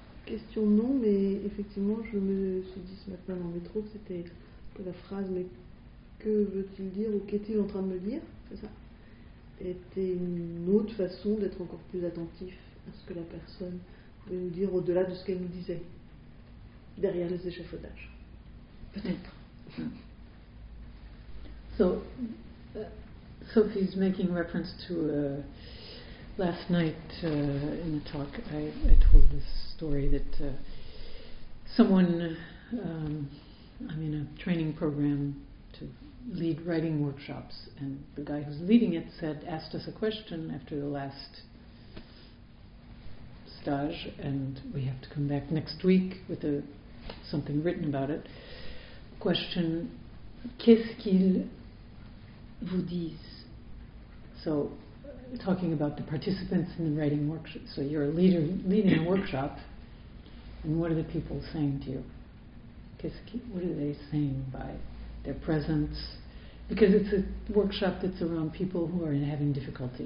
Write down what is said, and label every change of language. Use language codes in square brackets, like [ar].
[fr] Question non, mais effectivement, je me suis dit ce matin dans le métro que c'était que la phrase, mais que veut-il dire ou qu'est-il en train de me dire, c'est ça, était une autre façon d'être encore plus attentif à ce que la personne veut nous dire au-delà de ce qu'elle nous disait, derrière les échafaudages. Peut-être. [en] So, Sophie's making reference to last night in the talk, I told this story that someone, I'm in a training program to lead writing workshops, and the guy who's leading it said, asked us a question after the last stage, and we have to come back next week with something written about it. [fr] Question, qu'est-ce qu'ils vous disent? [en] So, talking about the participants in the writing workshop, so you're a leader leading a workshop, and what are the people saying to you? What are they saying by their presence? Because it's a workshop that's around people who are having difficulty.